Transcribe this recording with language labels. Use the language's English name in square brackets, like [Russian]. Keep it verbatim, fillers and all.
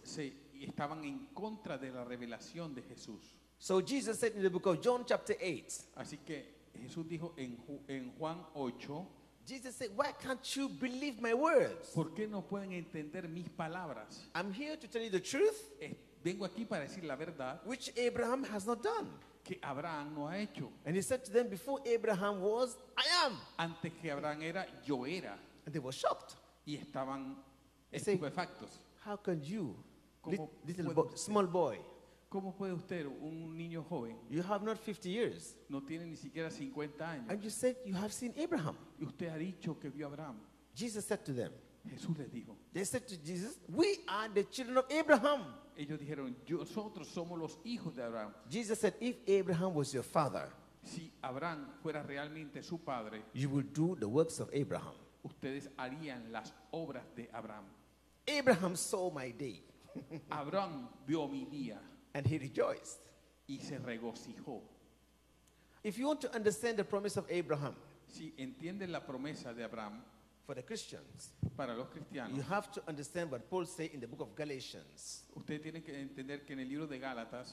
[Spanish] se estaban en contra de la revelación de Jesús. [English] So Jesus said in the book of John chapter eight, [Spanish] Así que Jesús dijo en, Ju- en Juan ocho, [English] Jesus said, why can't you believe my words? [Spanish] ¿por qué no pueden entender mis palabras? [English] I'm here to tell you the truth, [Spanish] Eh, Vengo aquí para decir la verdad [English] which Abraham has not done. [Spanish] que Abraham no ha hecho. [English] And he said to them, before Abraham was, I am. [Spanish] Antes que Abraham era, yo era. [English] And they were shocked. [Spanish] Y estaban Ese- estupefactos. [English] How can you, [Spanish] ¿Cómo [English] lit- little [Spanish] puede bo- usted? [English] small boy, [Spanish] ¿Cómo puede usted, un niño joven, [English] you have not fifty years, [Spanish] no tiene ni siquiera cincuenta años, [English] and you said you have seen Abraham? [Spanish] y usted ha dicho que vio a Abraham? [English] Jesus said to them, [Spanish] Jesús les dijo, [English] they said to Jesus, we are the children of Abraham. [Spanish] ellos dijeron, "Yo- nosotros somos los hijos de Abraham. [English] Jesus said, if Abraham was your father, [Spanish] Si Abraham fuera realmente su padre, [English] you will do the works of Abraham. [Spanish] ustedes harían las obras de Abraham. [English] Abraham saw my day [Spanish] Abraham vio mi día [English] and he rejoiced. [Spanish] y se regocijó. [English] If you want to understand the promise of Abraham [Spanish] Si entienden la promesa de Abraham [English] for the Christians, [Spanish] para los [English] you [Spanish] cristianos, [English] have to understand what Paul said in the book of Galatians, [Spanish] ustedes tienen que entender que en el libro de Gálatas,